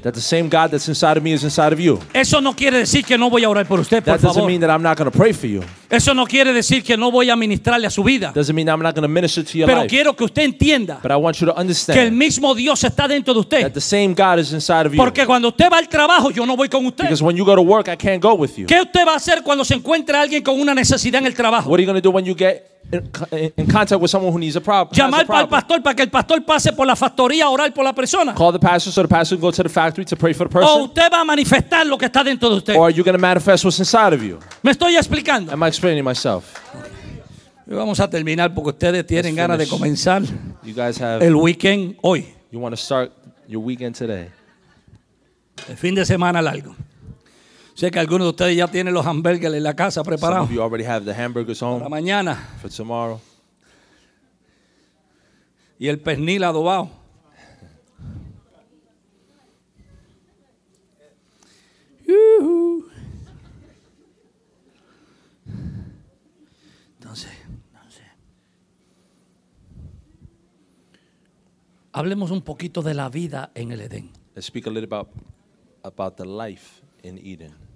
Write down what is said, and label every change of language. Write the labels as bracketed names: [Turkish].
[English] That the same God that's inside of me is inside of you. [Spanish] Eso no quiere decir que no voy a orar por usted, por favor. [English] That doesn't mean that I'm not going to pray for you. [Spanish] Eso no quiere decir que no voy a ministrarle a su vida. [English] Doesn't mean I'm not going to minister to your life. [Spanish] Pero quiero que usted entienda. [English] But I want you to understand. [Spanish] Que el mismo Dios está dentro de usted. [English] That the same God is inside of you. [Spanish] Porque cuando usted va al trabajo, yo no voy con usted. [English] Because when you go to work, I can't go with you. [Spanish] ¿Qué usted va a hacer cuando se encuentre alguien con una necesidad en el trabajo? [English] What are you going to do when you get in contact with someone who needs a problem? [Spanish] Llamar para el pastor para que el pastor pase por la factoría a orar por la persona. [English] Call the pastor so the pastor can go to the factory to pray for the person. [Spanish] O usted va a manifestar lo que está dentro de usted. [English] Or are you going to manifest what's inside of you? [Spanish] Me estoy explicando. [English] Am I explaining myself? [Spanish] Vamos a terminar porque ustedes tienen ganas de comenzar. [English] You guys have [Spanish] el weekend hoy. [English] You want to start your weekend today. [Spanish] El fin de semana largo. Sé que algunos de ustedes ya tienen los hamburgers en la casa preparados. [English] Some of you already have the hamburgers home. [Spanish] Para mañana. [English] For tomorrow. [Spanish] Y el pernil adobado. Entonces. Hablemos un poquito de la vida en el Edén. [English] Let's speak a little about the life in Eden.